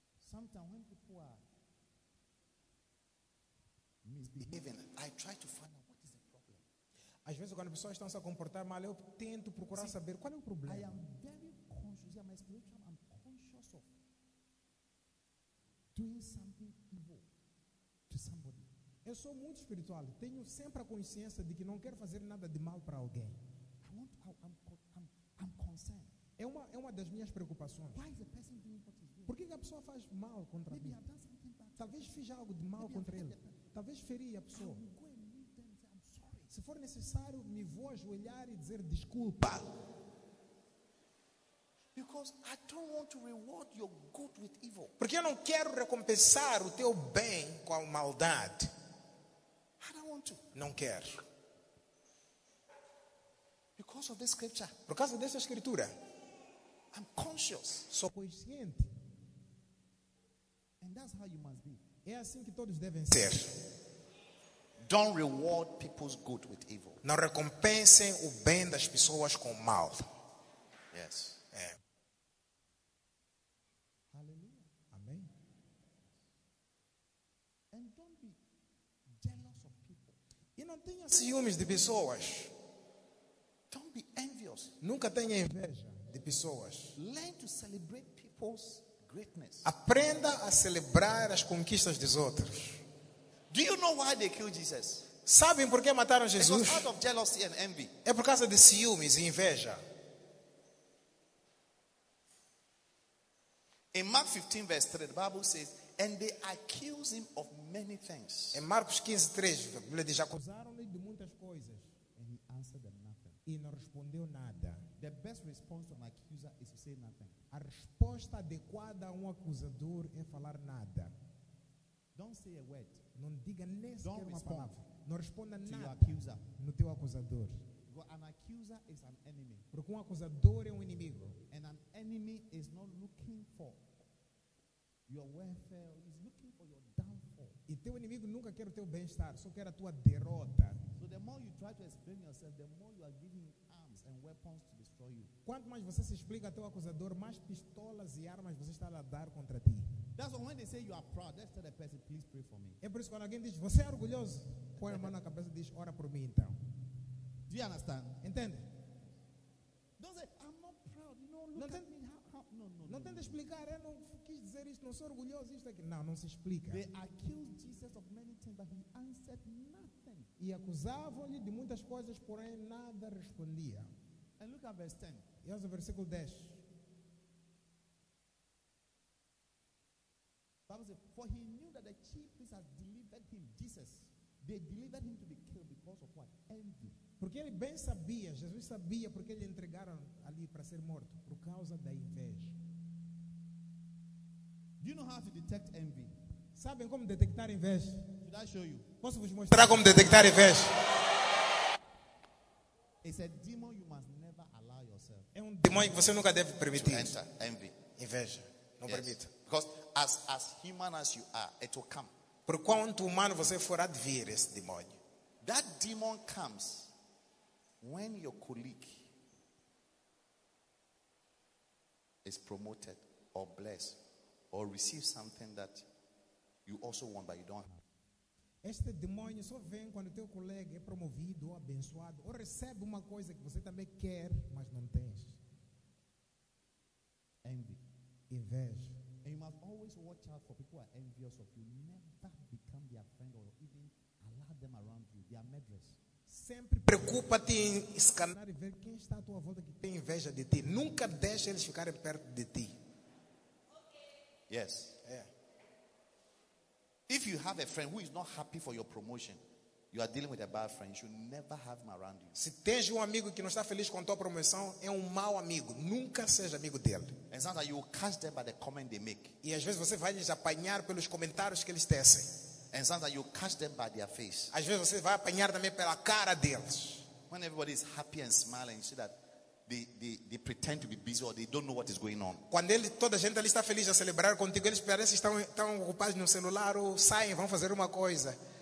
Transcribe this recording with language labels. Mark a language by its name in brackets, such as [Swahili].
[English] Sometimes when people are misbehaving, I try to find out what is the problem. [Portuguese] Às vezes quando as pessoas estão a comportar mal, eu tento procurar [English] see, [Portuguese] saber qual é o problema. [English] I am very conscious. Yeah, my spiritual, I'm conscious of doing something evil to somebody. [Portuguese] Eu sou muito espiritual. Tenho sempre a consciência de que não quero fazer nada de mal para alguém. [English] I want to, I'm concerned. [Portuguese] É uma das minhas preocupações. [English] Why is the person doing what he's doing? [Portuguese] Por que a pessoa faz mal contra [English] maybe [Portuguese] mim? [English] I've done something bad. [Portuguese] Talvez fiz algo de mal [English] maybe [Portuguese] contra ele. Talvez feri a pessoa. [English] I will go and meet them and say, I'm sorry. [Portuguese] Se for necessário, me vou ajoelhar e dizer desculpa. [English] Because I don't want to reward your good with evil. [Portuguese] Porque eu não quero recompensar o teu bem com a maldade. [English] I don't want to. [Portuguese] Não quero. [English] Because of this scripture. [Portuguese] Por causa dessa escritura. [English] I'm conscious. [Portuguese] Sou consciente. [English] And that's how you must be. [Portuguese] É assim que todos devem ser. [English] Don't reward people's good with evil. [Portuguese] Não recompensem o bem das pessoas com o mal. [English] Yes. [Portuguese] É. [English] Hallelujah. [Portuguese] Amém. [English] And don't be jealous of people. [Portuguese] E não tenha ciúmes de pessoas. [English] Don't be envious. [Portuguese] Nunca tenha inveja de pessoas. [English] Learn to celebrate people's greatness. [Portuguese] Aprenda a celebrar as conquistas dos outros. [English] Do you know why they killed Jesus? [Portuguese] Sabem por que mataram Jesus? [English] Because out of jealousy and envy. [Portuguese] É por causa de ciúmes e inveja. [English] In Mark 15 verse 3, the Bible says, and they accused him of many things. [Portuguese] Em Marcos 15, 3, a Bíblia diz, acusaram-lhe de muitas coisas. [English] And he answered them nothing. [Portuguese] E não respondeu nada. [English] The best response to an accuser is to say nothing. [Portuguese] A resposta adequada a acusador é falar nada. [English] Don't say a word. [Portuguese] Não diga nem sequer uma palavra. Não responda [English] to [Portuguese] nada [English] your accuser. [Portuguese] No teu acusador. [English] Because an accuser is an enemy. [Portuguese] Porque acusador é inimigo. [English] And an enemy is not looking for your welfare. He's looking for your downfall. [Portuguese] E teu inimigo nunca quer o teu bem-estar, só quer a tua derrota. [English] So the more you try to explain yourself, the more you are giving arms and weapons to destroy you. [Portuguese] Quanto mais você se explica teu acusador, mais pistolas e armas você está a dar contra ti. [English] That's why when they say you are proud, let's tell the person, please pray for me. [Portuguese] É por isso quando alguém diz você é orgulhoso, põe a mão na cabeça e diz ora por mim então. [English] Do you understand? [Portuguese] Entende? [English] Don't say I'm not proud. No, look at me. [Portuguese] Não tenta explicar, eu não quis dizer isto, não sou orgulhoso, isto aqui. Não, não se explica. [English] They accused Jesus of many things, but he answered nothing. [Portuguese] E acusavam-lhe de muitas coisas, porém nada respondia. [English] And look at verse 10. [Portuguese] E olha o versículo 10. [English] Bible says, for he knew that the chief priests had delivered him, Jesus. They delivered him to be killed because of what? Envy. [Portuguese] Porque ele bem sabia, Jesus sabia porque lhe entregaram ali para ser morto, por causa da inveja. [English] Do you know how to detect envy? [Portuguese] Sabem como detectar inveja? [English] Should I show you? [Portuguese] Posso vos mostrar como detectar inveja? [English] It's a demon you must never allow yourself. [Portuguese] É um demônio que você nunca deve permitir. [English] To enter envy. [Portuguese] Inveja. Não [English] yes. [Portuguese] Permita. [English] Because as human as you are, it will come. [Portuguese] Por quanto humano você for, há de vir esse demônio. [English] That demon comes when your colleague is promoted or blessed or receives something that you also want but you don't have. [Portuguese] Este demônio só vem quando teu colega é promovido ou abençoado ou recebe uma coisa que você também quer, mas não tens. [English] Envy. [Portuguese] Inveja. [English] And you must always watch out for people who are envious of you. Never become their friend or even allow them around you. They are murderers. [Portuguese] Sempre preocupa-te em escanear e ver quem está à tua volta que tem inveja de ti. Nunca deixa eles ficarem perto de ti. [English] Yes. Yeah. If you have a friend who is not happy for your promotion, you are dealing with a bad friend. You should never have him around you. [Portuguese] Se tens amigo que não está feliz com a tua promoção, é mau amigo. Nunca seja amigo dele. [English] And sometimes you catch them by the comment they make. [Portuguese] E às vezes você vai lhes apanhar pelos comentários que eles tecem. [English] And sometimes you catch them by their face. [Portuguese] Às vezes você vai apanhar também pela cara deles. [English] When everybody is happy and smiling, you see that they pretend to be busy or they don't know what is going on. [Portuguese] Quando ele, toda a gente ali está feliz a celebrar contigo, eles parecem estão ocupados no celular ou saem, vão fazer uma coisa.